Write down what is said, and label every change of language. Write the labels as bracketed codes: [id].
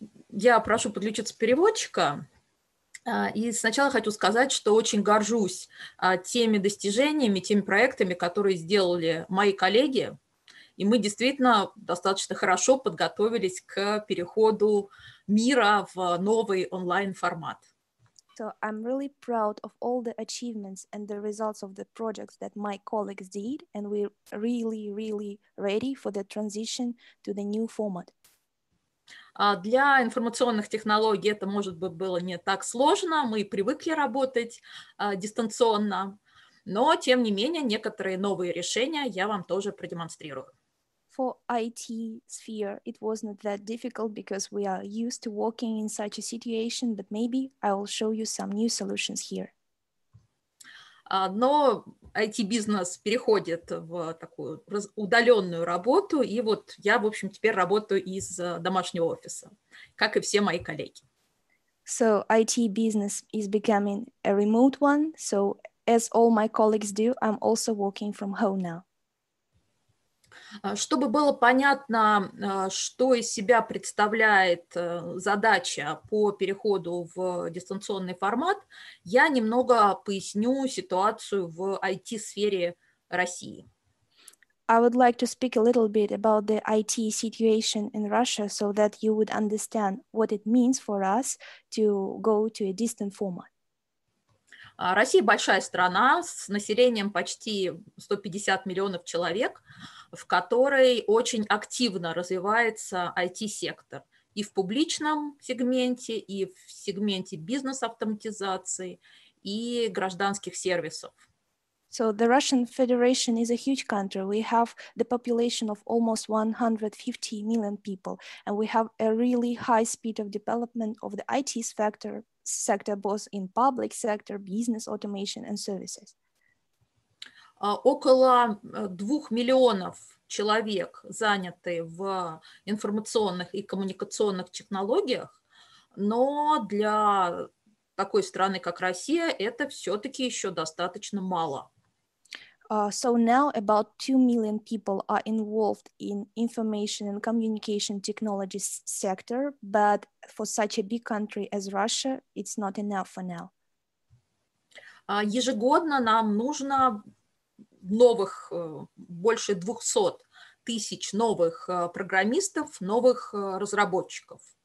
[ru] Я прошу подключиться переводчика. И сначала хочу сказать, что очень горжусь теми достижениями, теми проектами, которые сделали мои коллеги. И мы действительно достаточно хорошо подготовились к переходу мира в новый онлайн-формат. [en] So I'm really proud of all the achievements and the results of the projects that my colleagues did, and we're really, really ready for the transition to the new format. [ru] Для информационных технологий это, может быть, было не так сложно. Мы привыкли работать дистанционно. Но, тем не менее, некоторые новые решения я вам тоже продемонстрирую. [en] For IT sphere, it was not that difficult because we are used to working in such a situation, but maybe I will show you some new solutions here. [ru] Но IT-бизнес переходит в такую удаленную работу, и вот я, в общем, теперь работаю из домашнего офиса, как и все мои коллеги. [en] So [ru] IT-бизнес [en] is becoming a remote one, so as all my colleagues do, I'm also working from home now. [ru] Чтобы было понятно, что из себя представляет задача по переходу в дистанционный формат, я немного поясню ситуацию в IT-сфере России. [en] I would like to speak a little bit about the IT situation in Russia so that you would understand what it means for us to go to a distant format. [ru] Россия большая страна с населением почти 150 миллионов человек, в которой очень активно развивается IT-сектор и в публичном сегменте, и в сегменте бизнес-автоматизации, и гражданских сервисов. [en] So the Russian Federation is a huge country. We have the population of almost 150 million people, and we have a really high speed of development of the IT sector, both in public sector, business automation and services. [ru] Около 2 миллионов человек заняты в информационных и коммуникационных технологиях, но для такой страны, как Россия, это все-таки еще достаточно мало. [en] So now about 2 million people are involved in information and communication technologies sector, but for such a big country as Russia, it's not enough for now. [ru] Ежегодно нам нужно новых, больше 200 тысяч новых программистов, новых разработчиков.